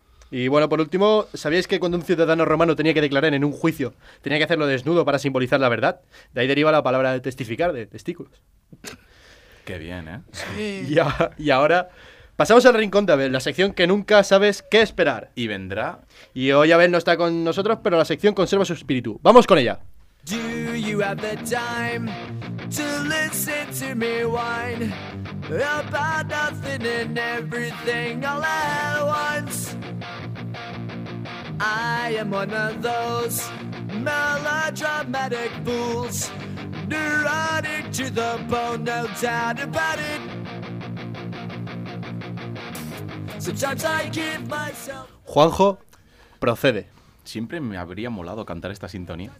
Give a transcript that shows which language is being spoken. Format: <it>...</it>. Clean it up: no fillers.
<es>Y bueno, por último, ¿sabíais que cuando un ciudadano romano tenía que declarar en un juicio, tenía que hacerlo desnudo para simbolizar la verdad? De ahí deriva la palabra de testificar, de testículos. Qué bien, ¿eh? Sí. Y ahora pasamos al rincón de Abel, la sección que nunca sabes qué esperar. Y vendrá. Y hoy Abel no está con nosotros, pero la sección conserva su espíritu. ¡Vamos con ella!</es> <en>Do you have the time to listen to me whine about nothing and everything all at once? I am one of those melodramatic fools, neurotic to the bone, no doubt about it. Sometimes I give myself.</en> <es>Juanjo, procede. Siempre me habría molado cantar esta sintonía.</es>